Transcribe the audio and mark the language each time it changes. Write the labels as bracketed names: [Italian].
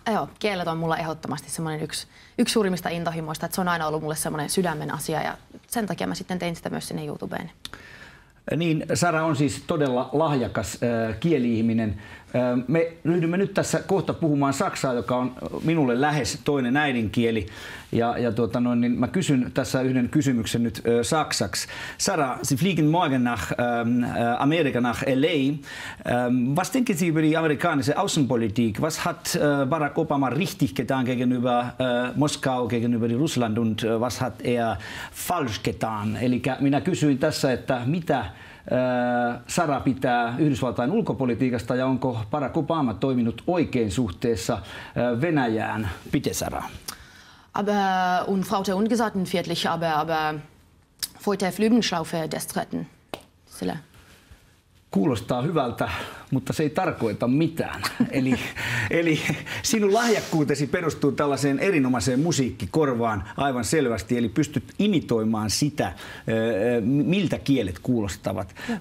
[Finnish] Joo, kielet on mulla ehdottomasti semmoinen yksi suurimmista intohimoista, että se on aina ollut mulle semmoinen sydämen asia, ja sen takia mä sitten tein sitä myös sinne YouTubeen. Niin, Sara on siis todella lahjakas kieli-ihminen. Me ryhdymme nyt tässä kohta puhumaan saksaa, joka on minulle lähes toinen äidinkieli. Ja mä kysyn tässä yhden kysymyksen nyt saksaksi. [German] Sara, Sie fliegen morgen nach Amerika, nach LA. Was denken Sie über die amerikanische Außenpolitik? Was hat Barack Obama richtig getan gegenüber Moskau, gegenüber Russland? Und was hat er falsch getan? [Finnish] Eli minä kysyin tässä, että mitä Sara pitää Yhdysvaltain ulkopolitiikasta ja onko Barack Obama toiminut oikein suhteessa Venäjään? [German] Bitte, Sara. Aber und Frau der Ungesagten viertlich, aber vor der Flügenschlaufe des Dritten. [Finnish] Sille. Kuulostaa hyvältä, mutta se ei tarkoita mitään. Eli sinun lahjakkuutesi perustuu tällaiseen erinomaiseen musiikkikorvaan aivan selvästi, eli pystyt imitoimaan sitä, miltä kielet kuulostavat.